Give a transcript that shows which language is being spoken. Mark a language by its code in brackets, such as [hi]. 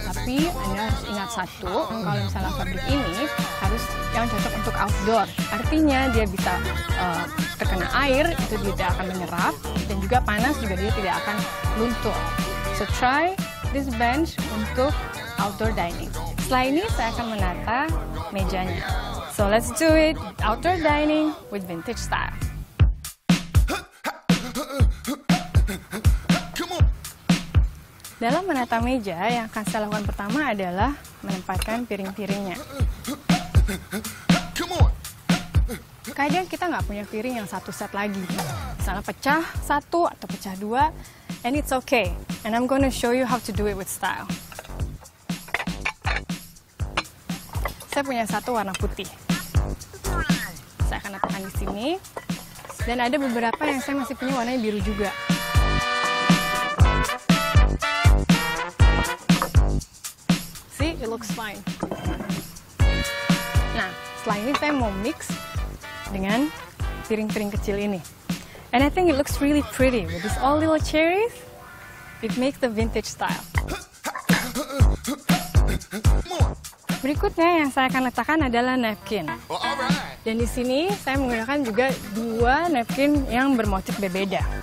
[id] Tapi Anda harus ingat satu, kalau misalnya fabric ini harus yang cocok untuk outdoor. Artinya dia bisa terkena air, itu dia tidak akan menyerap. Dan juga panas juga dia tidak akan luntur. [en] So try this bench [id] untuk outdoor dining. Setelah ini saya akan menata mejanya. [en] So let's do it, outdoor dining with vintage style. [id] Dalam menata meja, yang akan saya lakukan pertama adalah menempatkan piring-piringnya. Kadang kita nggak punya piring yang satu set lagi. Misalnya pecah satu atau pecah dua, [en] and it's okay. And I'm gonna show you how to do it with style. [id] Saya punya satu warna putih. Saya akan letakkan di sini. Dan ada beberapa yang saya masih punya warnanya biru juga. [en] See, it looks fine. [id] Nah, setelah ini saya mau mix dengan piring-piring kecil ini. [en] And I think it looks really pretty. With these all little cherries, it makes the vintage style. [id] Berikutnya yang saya akan letakkan adalah napkin. Dan di sini saya menggunakan juga 2 napkin yang bermotif berbeda.